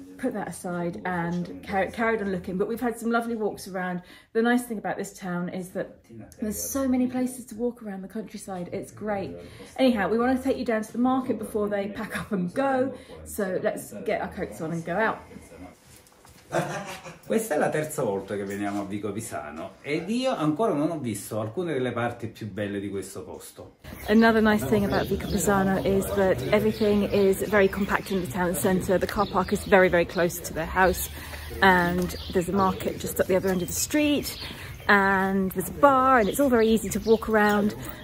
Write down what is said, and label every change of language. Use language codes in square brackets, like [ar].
[en] put that aside and carried on looking. But we've had some lovely walks around. The nice thing about this town is that there's so many places to walk around the countryside. It's great. Anyhow, we want to take you down to the market before they pack up and go. So let's get our coats on and go out. [it] Questa è la terza volta che veniamo a Vicopisano ed io ancora non ho visto alcune delle parti più belle di questo posto. [en] Another nice thing about Vicopisano is that everything is very compact in the town centre. The car park is very, very close to the house and there's a market just at the other end of the street and there's a bar and it's all very easy to walk around.